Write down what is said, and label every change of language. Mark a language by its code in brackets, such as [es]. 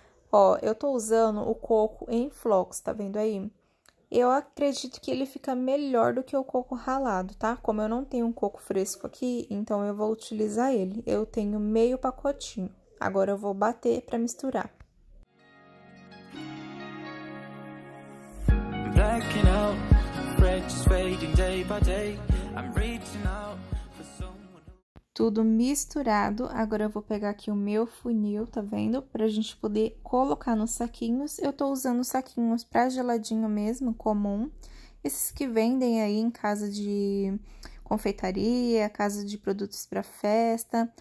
[pt] Ó, eu tô usando o coco em flocos, tá vendo aí? Eu acredito que ele fica melhor do que o coco ralado, tá? Como eu não tenho um coco fresco aqui, então eu vou utilizar ele. Eu tenho meio pacotinho. Agora eu vou bater pra misturar. [en] Blacking out, bread just fading day by day. I'm reaching out. [pt] Tudo misturado, agora eu vou pegar aqui o meu funil, tá vendo? Pra gente poder colocar nos saquinhos. Eu tô usando saquinhos pra geladinho mesmo, comum. Esses que vendem aí em casa de confeitaria, casa de produtos pra festa.